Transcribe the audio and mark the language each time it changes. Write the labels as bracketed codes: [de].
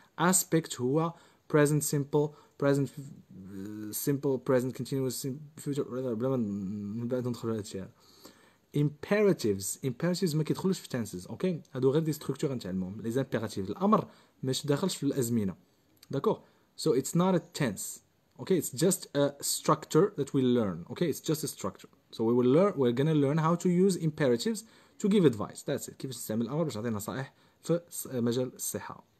[en] Aspect [ar] هو [en] present, simple, present, simple, present, continuous, future. [ar] بلا ما ندخلو هادشي. Imperatives. Imperatives ما كيدخلوش في tenses. Okay, هادو غير دي structure غنتعلموهم. [fr] Les imperatives. [ar] الأمر ماش داخلش في الأزمنة. [fr] D'accord? [en] So it's not a tense. Okay, it's just a structure that we learn. Okay, it's just a structure. So we will learn, we're going to learn how to use imperatives to give advice. That's it. [ar] كيف نستعمل الأمر باش نعطي نصائح في مجال الصحة.